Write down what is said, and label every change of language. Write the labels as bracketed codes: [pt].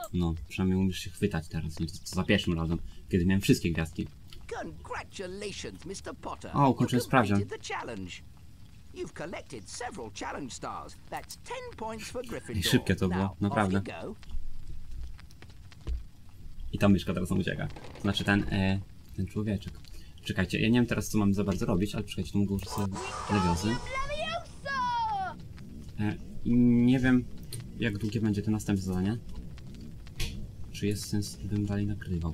[pl] No, przynajmniej umiesz się chwytać teraz, nie? To za pierwszym razem, kiedy miałem wszystkie gwiazdki. [en] Congratulations, Mr. Potter. [pl] O, ukończyłem sprawdzian. [en] You've collected several challenge stars. That's 10 points for Gryffindor. [pl] I szybkie to było, naprawdę. I ta myszka teraz nam ucieka. Znaczy ten człowieczek. Czekajcie, ja nie wiem teraz co mam za bardzo robić, ale czekajcie, to mogę użyć sobie lewiozy. Nie wiem jak długie będzie to następne zadanie. Czy jest sens, bym dalej nagrywał?